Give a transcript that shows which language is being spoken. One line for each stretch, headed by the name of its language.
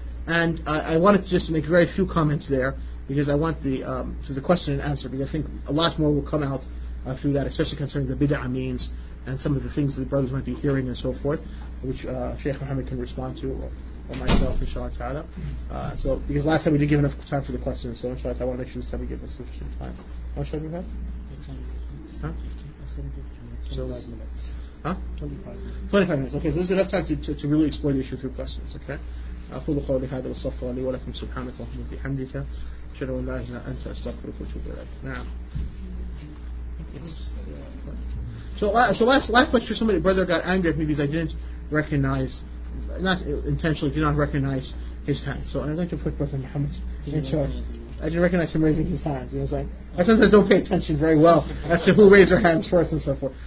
English: And I wanted to just make very few comments there, because I want the question and answer, because I think a lot more will come out through that, especially concerning the bid'ah means and some of the things that the brothers might be hearing and so forth, which Sheikh Muhammad can respond to, or myself, inshallah ta'ala. So, because last time we didn't give enough time for the question, so inshallah ta'ala, I want to make sure this time we give us sufficient time. How much time do we have? 25 minutes. Okay, so this is enough time to really explore the issue through questions, okay?
Arabic: أقول قولي هذا وصفت لي ولكم سبحانك اللهم وبحمدك أشهد أن لا إله إلا أنت أستغفرك وأتوب إليك. نعم.
English: So last lecture, somebody brother got angry at me because I didn't recognize, not intentionally, did not recognize his hand. So I'd like to put Brother Muhammad in charge. I didn't recognize him raising his hands. He was like, I sometimes don't pay attention very well as to who raised their hands first and so forth.